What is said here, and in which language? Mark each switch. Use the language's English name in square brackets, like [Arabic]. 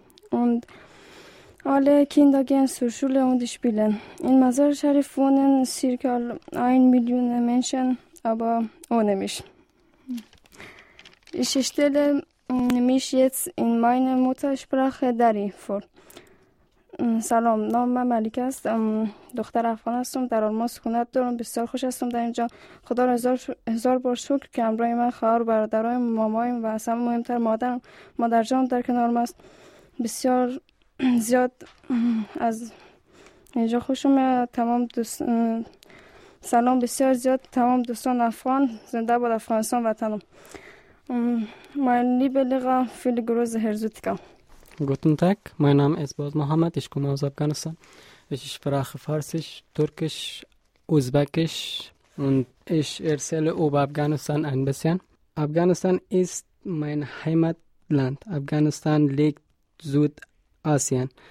[German] Und alle Kinder gehen zur Schule und spielen. In Mazar-i Sharif wohnen circa 1 Million Menschen, aber ohne mich. Ich stelle mich jetzt in meiner Muttersprache Dari vor. [Persian] سلام نام من ملیک است دختر افغان هستم در آلمان سکونت دارم بسیار خوش هستم در اینجا خدا را هزار بار شکر که همراه من خواهر برادرای مامایم و اصلا مهمتر مادرجان در کنارم است بسیار زیاد از اینجا خوشم میاد تمام دوست سلام بسیار زیاد تمام دوستان افغان زنده باد افغانستان وطنم من لیبه لغا فیل گروز هرزوتیکا [German] Guten Tag, mein Name ist Boz Mohammed, ich komme aus Afghanistan. Ich spreche Farsisch, Türkisch, Usbekisch und ich erzähle über Afghanistan ein bisschen. Afghanistan ist mein Heimatland. Afghanistan liegt Südasien.